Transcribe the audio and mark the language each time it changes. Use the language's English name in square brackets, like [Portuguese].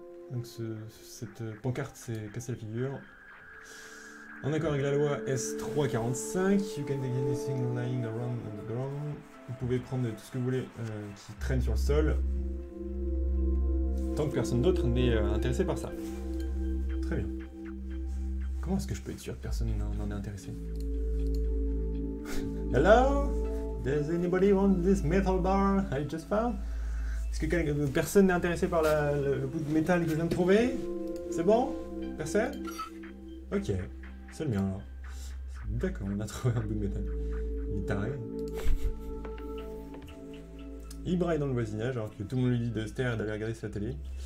[French] Donc cette pancarte s'est cassée la figure. En accord avec la loi S345, [English] you can take anything lying around on the ground. [French] Vous pouvez prendre tout ce que vous voulez qui traîne sur le sol. Tant que personne d'autre n'est intéressé par ça. Très bien. Comment est-ce que je peux être sûr que personne n'en est intéressé? [English] Hello? Does anybody want this metal bar I just found? [French] Est-ce que personne n'est intéressé par le bout de métal que je viens de trouver? C'est bon? Personne? Ok, c'est le mien alors. D'accord, on a trouvé un bout de métal. Il est taré. Il braille dans le voisinage alors que tout le monde lui dit de se taire et d'aller regarder sa télé.